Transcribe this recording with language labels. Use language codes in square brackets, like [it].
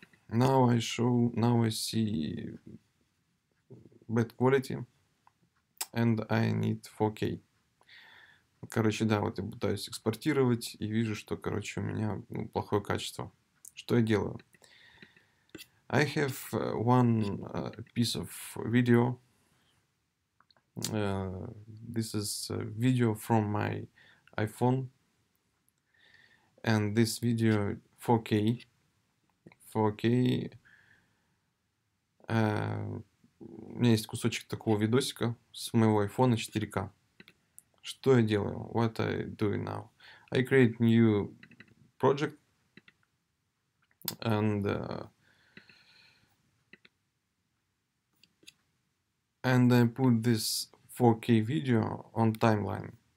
[en] Now I see bad quality and I need 4K. [ru] Короче, да, вот я пытаюсь экспортировать и вижу, что, короче, у меня плохое качество. [en] Что я делаю? I have one piece of video. This is a video from my iPhone. And this video 4K. 4K. [ru] У меня есть кусочек такого видосика с моего iPhone 4K. [en] Что я делаю? What I doing now? I create new project and I put this 4K video on timeline.